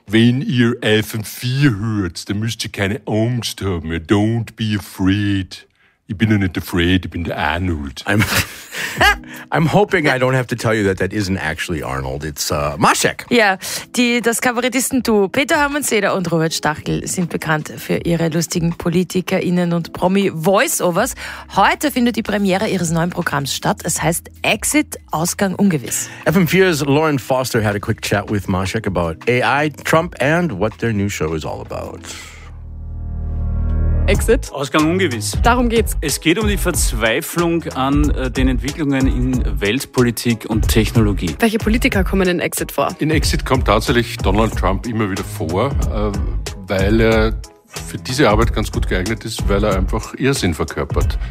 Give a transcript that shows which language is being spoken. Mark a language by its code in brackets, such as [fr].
[de] Wenn ihr FM4 hört, dann müsst ihr keine Angst haben. [en] Don't be afraid. [de] Ich bin ja nicht afraid, ich bin der Arnold. [en] I'm hoping I don't have to tell you that isn't actually Arnold, it's Maschek. [de] Ja, das Kabarettisten-Duo Peter Hermann-Seder und Robert Stachel sind bekannt für ihre lustigen PolitikerInnen und Promi-Voiceovers. Heute findet die Premiere ihres neuen Programms statt. Es heißt Exit, Ausgang ungewiss. [en] FM4's Lauren Foster had a quick chat with Maschek about AI, Trump and what their new show is all about. [de] Exit? Ausgang ungewiss. Darum geht's. Es geht um die Verzweiflung an den Entwicklungen in Weltpolitik und Technologie. Welche Politiker kommen in Exit vor? In Exit kommt tatsächlich Donald Trump immer wieder vor, weil er für diese Arbeit ganz gut geeignet ist, weil er einfach Irrsinn verkörpert.